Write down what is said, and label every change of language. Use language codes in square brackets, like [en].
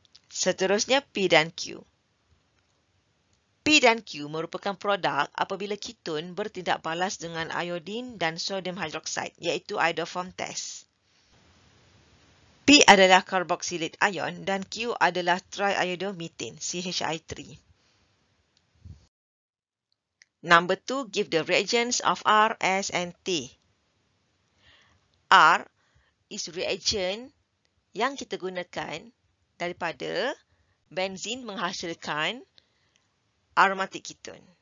[ms] Seterusnya P dan Q. P dan Q merupakan produk apabila ketun bertindak balas dengan iodin dan sodium hydroxide, iaitu iodoform test. P adalah carboxylate ion dan Q adalah triiodomethane, CHI3. [en] Number 2, give the reagents of R, S and T. R is reagent [ms] yang kita gunakan daripada benzene menghasilkan aromatik ketun.